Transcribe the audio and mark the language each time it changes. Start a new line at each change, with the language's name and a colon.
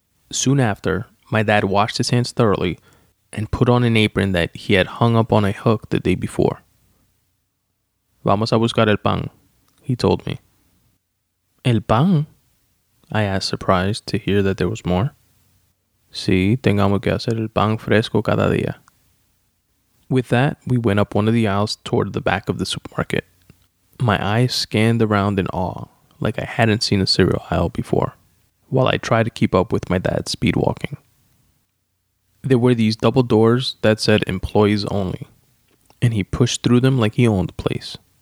English: Soon after, my dad washed his hands thoroughly and put on an apron that he had hung up on a hook the day before.
Spanish: Vamos a buscar el pan,
English: he told me.
Spanish: ¿El pan?
English: I asked, surprised to hear that there was more.
Spanish: Sí, tengamos que hacer el pan fresco cada día.
English: With that, we went up one of the aisles toward the back of the supermarket. My eyes scanned around in awe, like I hadn't seen a cereal aisle before, while I tried to keep up with my dad's speed walking. There were these double doors that said employees only, and he pushed through them like he owned the place.